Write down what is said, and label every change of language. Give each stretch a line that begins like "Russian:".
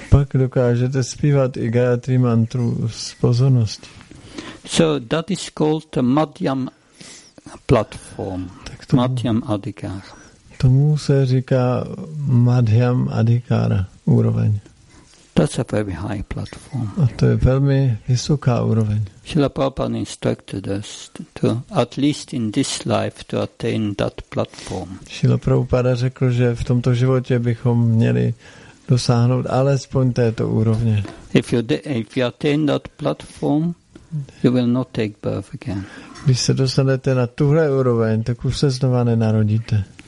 Czech: Pak dokážete zpívat i Gayatri mantru s pozorností.
English: So that is called the Madhyam platform. Madhyam adhikara.
Czech: Tomu se říká Madhyam adhikara úroveň.
English: That's a very high platform.
Czech: A to je velmi vysoká úroveň.
English: Srila Prabhupada instructed us to at least in this life to attain that platform.
Czech: Srila Prabhupada řekl, že v tomto životě bychom měli dosáhnout alespoň této úrovně.
English: If you attain that platform, you will not take birth again.
Czech: Když se dostanete na tuhle úroveň, tak už se znova nenarodíte.